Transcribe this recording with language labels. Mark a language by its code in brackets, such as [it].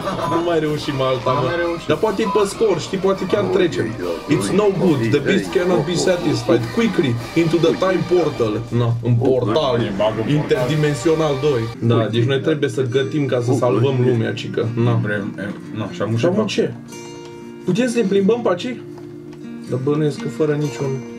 [ro] Nu mai reușim alta, mă. Dar poate e pe scor, știi, poate chiar trecem. [en] It's no good. The beast cannot be satisfied. Quickly, into the time portal. [ro] No, un portal. Interdimensional 2. Da, deci noi trebuie să gătim ca să salvăm lumea, cică. No. Și am ce? Putem să ne plimbăm pe aici? Dar bănuiesc că fără niciun...